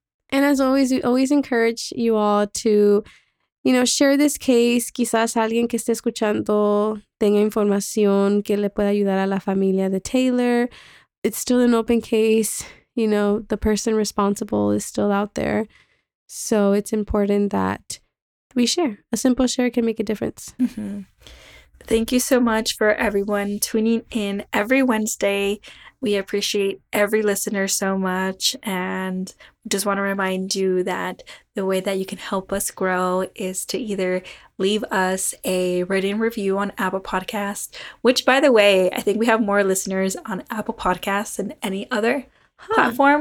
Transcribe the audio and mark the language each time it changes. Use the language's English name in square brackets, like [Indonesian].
[English] And as always, we always encourage you all to, you know, share this case. [Spanish] Quizás alguien que esté escuchando tenga información que le pueda ayudar a la familia de Taylor. [English] It's still an open case. You know, the person responsible is still out there. So it's important that we share. A simple share can make a difference. Mm-hmm. Thank you so much for everyone tuning in every Wednesday. We appreciate every listener so much. And just want to remind you that the way that you can help us grow is to either leave us a written review on Apple Podcasts, which, by the way, I think we have more listeners on Apple Podcasts than any other platform.